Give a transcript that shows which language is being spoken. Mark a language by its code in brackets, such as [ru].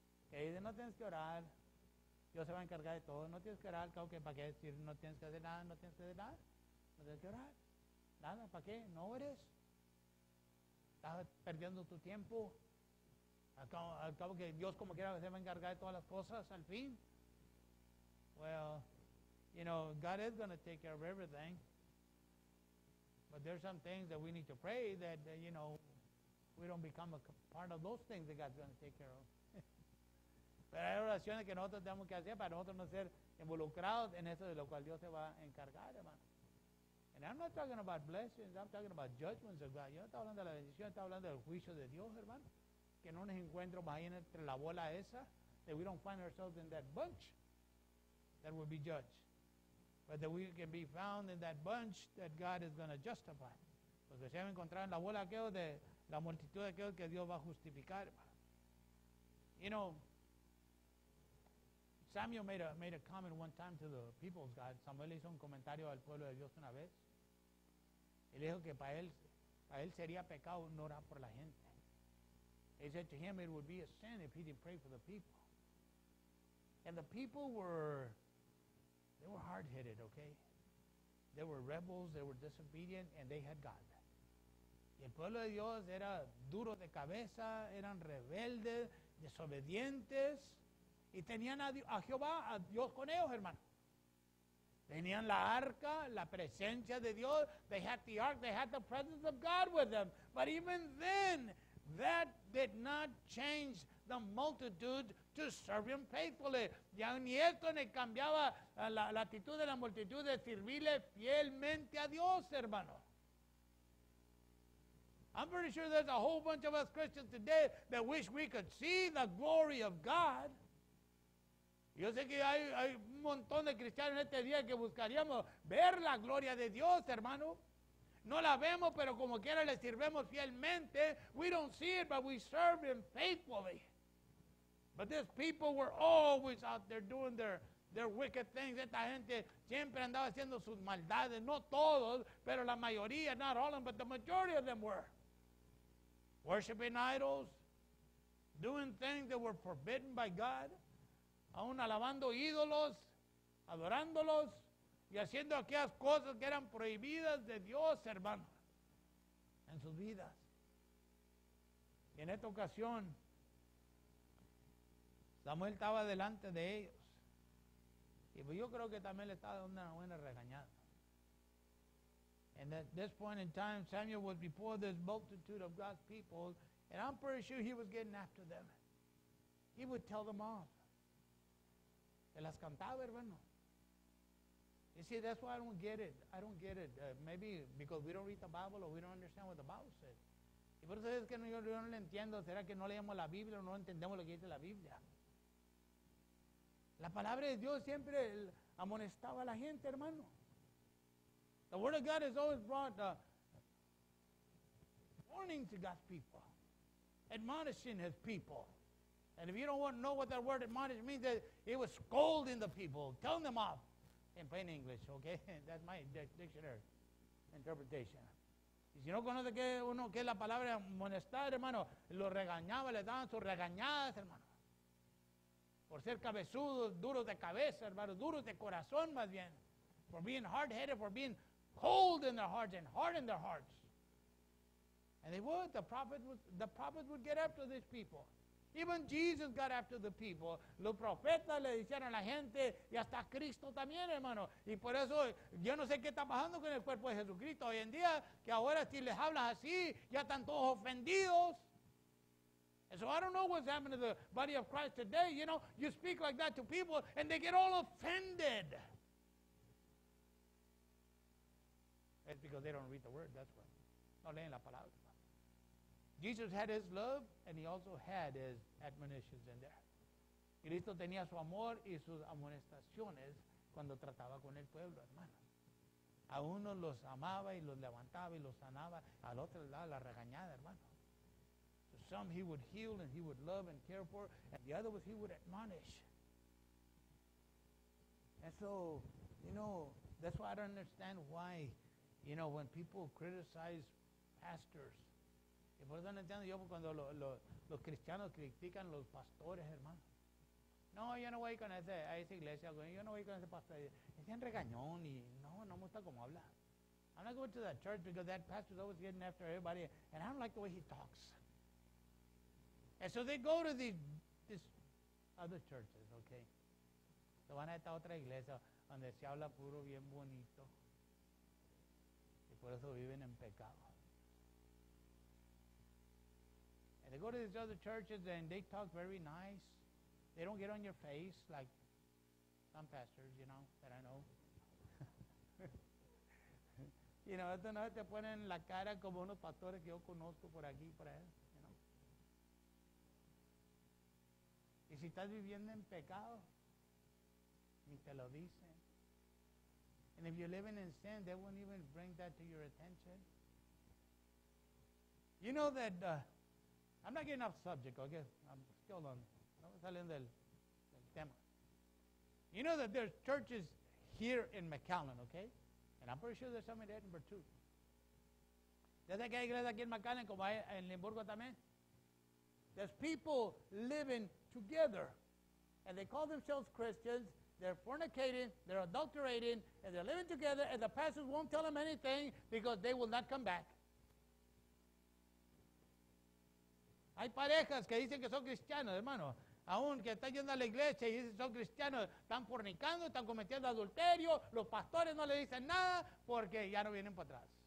[es] Que dicen, no tienes que orar, Dios se va a encargar de todo. No tienes que orar, claro que para qué decir, no tienes que hacer nada, no tienes que hacer nada. No tienes que orar, nada, ¿para qué? No ores. Estás perdiendo tu tiempo. Al cabo que Dios como quiera se va a encargar de todas las cosas, al fin. [en] Well, you know, God is going to take care of everything. But there's some things that we need to pray that, you know, we don't become a part of those things that God's going to take care of. [es] Pero hay oraciones que nosotros tenemos que hacer para nosotros no ser involucrados en eso de lo cual Dios se va a encargar, hermano. [en] And I'm not talking about blessings, I'm talking about judgments of God. [es] Yo no estoy hablando de la bendición, estoy hablando del juicio de Dios, hermano. Que no nos encuentro más ahí entre la bola esa. [en] That we don't find ourselves in that bunch that will be judged. But that we can be found in that bunch that God is going to justify. [es] Porque se va a encontrar en la bola aquello de la multitud de aquello que Dios va a justificar. [en] You know, Samuel made a comment one time to the people of God. [es] Samuel hizo un comentario al pueblo de Dios una vez. Él dijo que para él sería pecado no orar por la gente. [en] He said to him, it would be a sin if he didn't pray for the people. And the people were, they were hard-headed, okay? They were rebels, they were disobedient, and they had God. [es] Y el pueblo de Dios era duro de cabeza, eran rebeldes, desobedientes, y tenían a Jehová, a Dios con ellos, hermano. Tenían la arca, la presencia de Dios. [en] They had the ark, they had the presence of God with them. But even then, that did not change the multitude to serve him faithfully. [es] Ya ni esto ni cambiaba la actitud de la multitud de servirle fielmente a Dios, hermano. [en] I'm pretty sure there's a whole bunch of us Christians today that wish we could see the glory of God. [es] Yo sé que hay un montón de cristianos en este día que buscaríamos ver la gloria de Dios, hermano. No la vemos, pero como quiera le sirvemos fielmente. [en] We don't see it, but we serve him faithfully. But these people were always out there doing their wicked things. [es] Esta gente siempre andaba haciendo sus maldades. No todos, pero la mayoría, [en] not all of them, but the majority of them were. Worshiping idols, doing things that were forbidden by God. [es] Aún alabando ídolos, adorándolos y haciendo aquellas cosas que eran prohibidas de Dios, hermano, en sus vidas. Y en esta ocasión, Samuel estaba delante de ellos. Y pues yo creo que también le estaba dando una buena regañada. [en] And at this point in time, Samuel was before this multitude of God's people, and I'm pretty sure he was getting after them. He would tell them off. [es] Se las cantaba, hermano. [en] You see, that's why I don't get it. I don't get it. Maybe because we don't read the Bible or we don't understand what the Bible says. [es] Y por eso es que yo no lo entiendo. ¿Será que no leemos la Biblia o no entendemos lo que dice la Biblia? La palabra de Dios siempre amonestaba a la gente, hermano. [en] The word of God has always brought warning to God's people, admonishing his people. And if you don't know what that word admonish means, that it was scolding the people, telling them off in plain English, okay? That's my dictionary interpretation. [es] Y si no conoce que uno que la palabra amonestar, hermano, lo regañaba, le daban sus regañadas, hermano. Por ser cabezudos, duros de cabeza, hermano, duros de corazón más bien. [en] For being hard-headed, for being cold in their hearts and hard in their hearts. And they would, the prophets would get after these people. Even Jesus got after the people. [es] Los profetas le decían a la gente, y hasta Cristo también, hermano. Y por eso, yo no sé qué está pasando con el cuerpo de Jesucristo hoy en día, que ahora si les hablas así, ya están todos ofendidos. [en] And so I don't know what's happening to the body of Christ today. You know, you speak like that to people, and they get all offended. It's because they don't read the word, that's why. [es] No leen la palabra. [en] Jesus had his love, and he also had his admonitions in there. [es] Cristo tenía su amor y sus amonestaciones cuando trataba con el pueblo, hermano. A unos los amaba y los levantaba y los sanaba. Al otro le daba la regañada, hermano. [en] To some he would heal and he would love and care for, and the other was he would admonish. And so, you know, that's why I don't understand why, you know, when people criticize pastors, [es] y por eso no entiendo yo cuando los cristianos critican los pastores, hermano. No, yo no voy con a esa iglesia. Yo no voy con ese pastor. Es bien regañón y no me gusta cómo habla. [en] I'm not going to that church because that pastor is always getting after everybody. And I don't like the way he talks. And so they go to these other churches, okay. [es] So van a esta otra iglesia donde se habla puro bien bonito. Y por eso viven en pecado. [en] And they go to these other churches and they talk very nice. They don't get on your face like some pastors, you know, that I know. [es] You know, esto no te ponen la cara como unos pastores que yo conozco por aquí, por ahí, you know. Y si estás viviendo en pecado, ni te lo dicen. [en] And if you're living in sin, they won't even bring that to your attention. You know that... I'm not getting off subject, okay? I'm still on. [es] No me salen del tema. [en] You know that there's churches here in McAllen, okay? And I'm pretty sure there's some in Edinburgh, too. [es] ¿Desde que hay iglesias aquí en McAllen, como hay en Limburgo también? [en] There's people living together, and they call themselves Christians. They're fornicating, they're adulterating, and they're living together, and the pastors won't tell them anything because they will not come back. [es] Hay parejas que dicen que son cristianos, hermano. Aún que están yendo a la iglesia y dicen son cristianos, están fornicando, están cometiendo adulterio. Los pastores no le dicen nada porque ya no vienen para atrás.